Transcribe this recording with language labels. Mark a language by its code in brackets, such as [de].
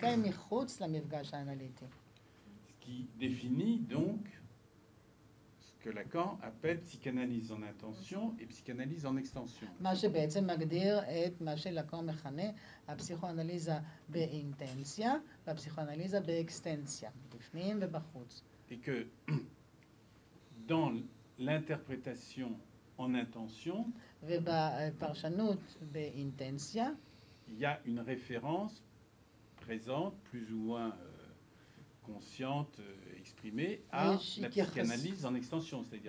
[fr] Ce qui définit donc que Lacan appelle psychanalyse en intention et psychanalyse en extension. [he] מה שבעצם מגדיר את מה שלקן מכנה הפסיכואנליזה באינטנציה והפסיכואנליזה באקסטנציה, בפנים ובחוץ. [fr] Et que dans l'interprétation en intention, [he] ובפרשנות באינטנציה, [fr] il y a une référence présente plus ou moins consciente exprimée à la psychanalyse en extension,